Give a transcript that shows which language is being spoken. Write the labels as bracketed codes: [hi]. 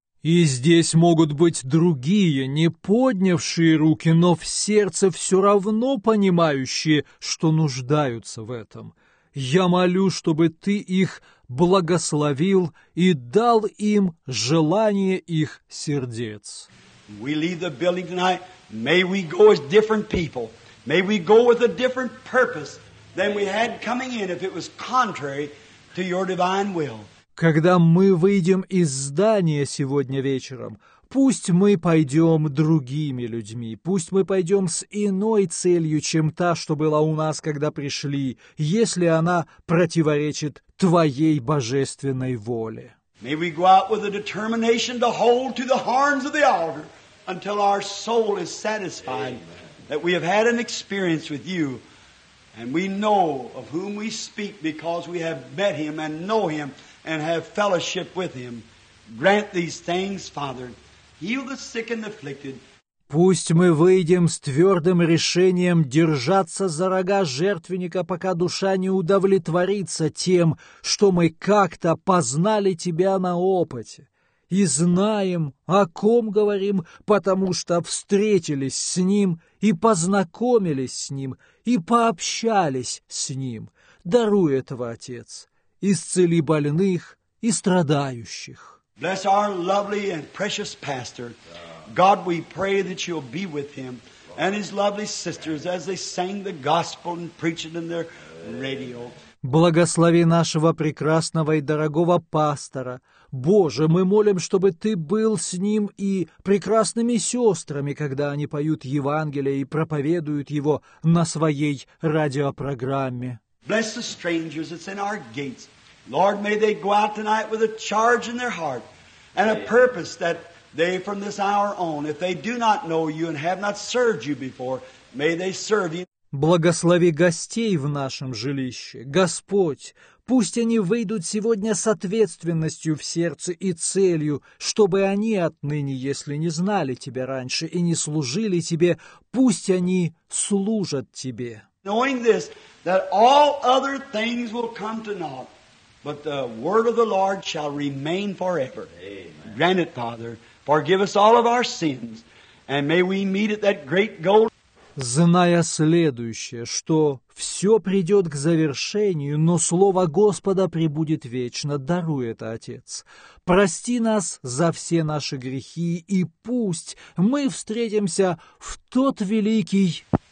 [ru] И здесь могут быть другие, не поднявшие руки, но в сердце все равно понимающие, что нуждаются в этом. Я молю, чтобы Ты их благословил и дал им желание их сердец. [en] We leave the building tonight. May we go as different people. May we go with a different purpose than we had coming in, if it was contrary to your divine will. [ru] Когда мы выйдем из здания сегодня вечером, пусть мы пойдем другими людьми, пусть мы пойдем с иной целью, чем та, что была у нас, когда пришли, если она противоречит Твоей божественной воле. [en] May we go out with a determination to hold to the horns of the altar until our soul is satisfied. Amen. That we have had an experience with you, and we know of whom we speak because we have met him and know him. And have fellowship with him. Grant these things, Father. Heal the sick and afflicted. [ru] Пусть мы выйдем с твердым решением держаться за рога жертвенника, пока душа не удовлетворится тем, что мы как-то познали тебя на опыте. И знаем, о ком говорим, потому что встретились с ним, и познакомились с ним, и пообщались с ним. Даруй этого, Отец. Исцели больных и страдающих. [en] Bless our lovely and precious pastor. God, we pray that you'll be with him and his lovely sisters as they sang the gospel and preach it in their radio. [ru] Благослови нашего прекрасного и дорогого пастора. Боже, мы молим, чтобы ты был с ним и прекрасными сестрами, когда они поют Евангелие и проповедуют его на своей радиопрограмме. [en] Bless the strangers that's in our gates. Lord, may they go out tonight with a charge in their heart and a purpose that they, from this hour on, if they do not know you and have not served you before, may they serve you. [ru] Благослови гостей в нашем жилище, Господь, пусть они выйдут сегодня с ответственностью в сердце и целью, чтобы они отныне, если не знали Тебя раньше и не служили Тебе, пусть они служат Тебе. [en] Knowing this, that all other things will come to naught, but the word of the Lord shall remain forever. Amen. Grant it, Father, forgive us all of our sins, and may we meet at that great goal. [ru] Зная следующее, что все придет к завершению, но Слово Господа пребудет вечно, даруй это, Отец. Прости нас за все наши грехи, и пусть мы встретимся в тот великий...